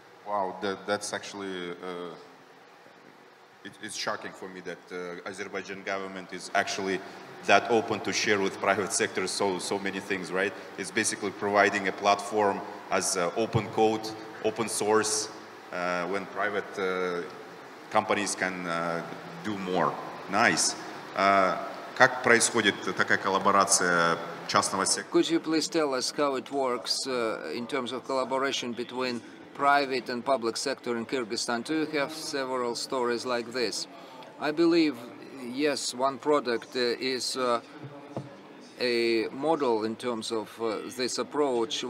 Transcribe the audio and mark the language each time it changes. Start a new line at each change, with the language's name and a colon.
English: Wow, that's actually it's shocking for me that Azerbaijan government is actually that open to share with private sector so many things, right? It's basically providing a platform as open code, open source, when private companies can do more. Nice.
Russian: Как происходит такая коллаборация частного сектора?
English: Could you please tell us how it works in terms of collaboration between private and public sector in Kyrgyzstan? Do you have several stories like this? I believe, yes, one product is a model in terms of this approach.